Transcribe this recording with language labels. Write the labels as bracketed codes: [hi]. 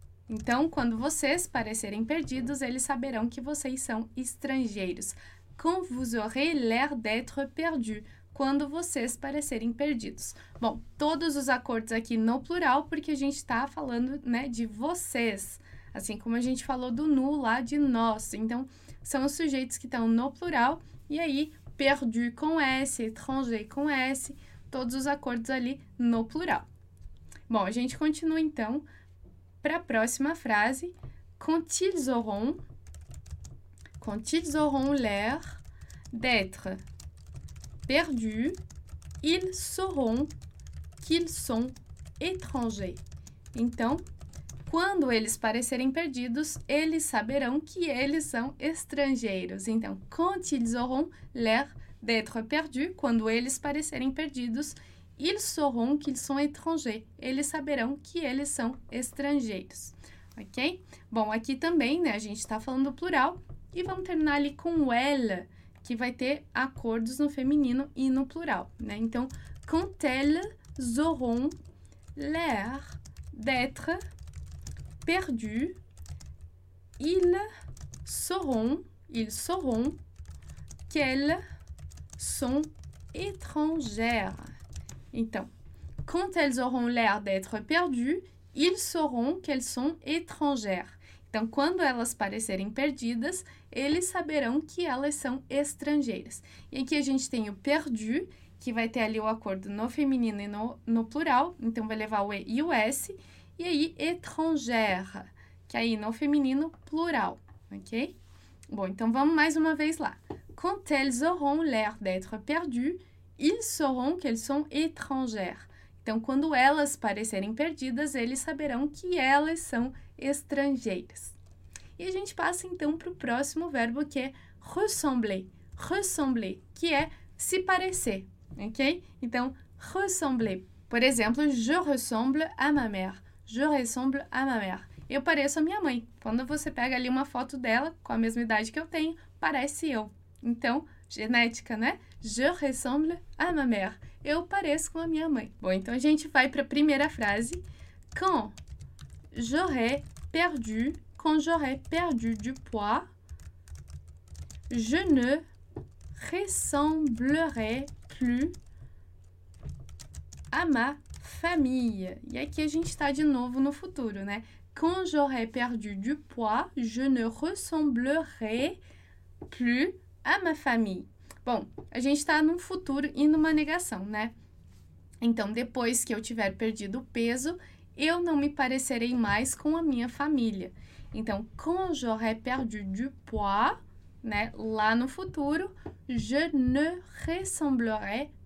[pt] Então, quando vocês parecerem perdidos, eles saberão que vocês são estrangeiros. [fr] Quand vous aurez l'air d'être perdu. [pt] Quando vocês parecerem perdidos. Bom, todos os acordos aqui no plural, porque a gente está falando, né, de vocês. Assim como a gente falou do nu lá de nós. Então, são os sujeitos que estão no plural. E aí, perdu com S, étranger com S. Todos os acordos ali no plural. Bom, a gente continua então. Para a próxima frase, [fr] quand ils auront l'air d'être perdus, ils sauront qu'ils sont étrangers. [pt] Então, quando eles parecerem perdidos, eles saberão que eles são estrangeiros. [fr] Então, quand ils auront l'air d'être perdus, [pt] quando eles parecerem perdidos, [fr] ils sauront qu'ils sont étrangers. [pt] Eles saberão que eles são estrangeiros. Ok? Bom, aqui também, né? A gente está falando plural. E vamos terminar ali com o elle, que vai ter acordos no feminino e no plural, né? [fr] Então, quand elles auront l'air d'être perdus, ils sauront qu'elles sont étrangères. Então, quand elles auront l'air d'être perdues, ils sauront qu'elles sont étrangères. [pt] Então, quando elas parecerem perdidas, eles saberão que elas são estrangeiras. E aqui a gente tem o perdu, que vai ter ali o acordo no feminino e no plural, então vai levar o E e o S, e aí étrangère, que aí no feminino, plural, ok? Bom, então vamos mais uma vez lá. [fr] Quand elles auront l'air d'être perdues, ils sauront qu'elles sont étrangères. [pt] Então, quando elas parecerem perdidas, eles saberão que elas são estrangeiras. E a gente passa, então, para o próximo verbo, que é ressembler. Ressembler, que é se parecer, ok? Então, ressembler. Por exemplo, [fr] je ressemble à ma mère. Je ressemble à ma mère. [pt] Eu pareço a minha mãe. Quando você pega ali uma foto dela, com a mesma idade que eu tenho, parece eu. Então, genética, né? [fr] Je ressemble à ma mère. [pt] Eu pareço com a minha mãe. Bom, então a gente vai para a primeira frase. [fr] Quand j'aurai perdu du poids, je ne ressemblerai plus à ma famille. [pt] E aqui a gente está de novo no futuro, né? [fr] Quand j'aurai perdu du poids, je ne ressemblerai plus à ma famille. [pt] Bom, a gente está num futuro e numa negação, né? Então, depois que eu tiver perdido o peso, eu não me parecerei mais com a minha família. [fr] Então, quand j'aurai perdu du poids, né, [pt] lá no futuro, [fr] je ne ressemblerai